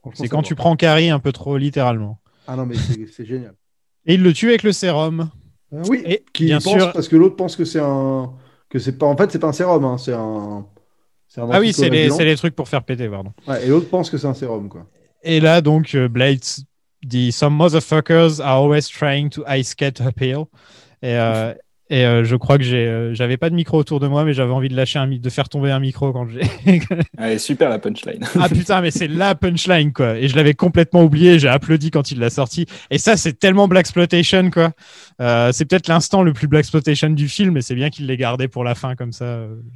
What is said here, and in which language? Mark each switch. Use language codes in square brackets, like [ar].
[fr] C'est quand tu prends Carrie un peu trop littéralement. Ah non, mais c'est génial. Et il le tue avec le sérum. Oui, et qui bien pense, sûr. Parce que l'autre pense que c'est un. Que c'est pas, en fait, c'est pas un sérum. Hein, c'est un ah oui, c'est les trucs pour faire péter, pardon. Ouais, et l'autre pense que c'est un sérum, quoi. Et là, donc, Blades. [en] Dit some motherfuckers are always trying to ice skate uphill. [fr] Et je crois que j'avais pas de micro autour de moi, mais j'avais envie de lâcher de faire tomber un micro quand j'ai. Ah, super la punchline. Ah putain, mais c'est la punchline quoi. Et je l'avais complètement oublié. J'ai applaudi quand il l'a sorti. Et ça, c'est tellement Blaxploitation quoi. C'est peut-être l'instant le plus Blaxploitation du film, mais c'est bien qu'il l'ait gardé pour la fin comme ça.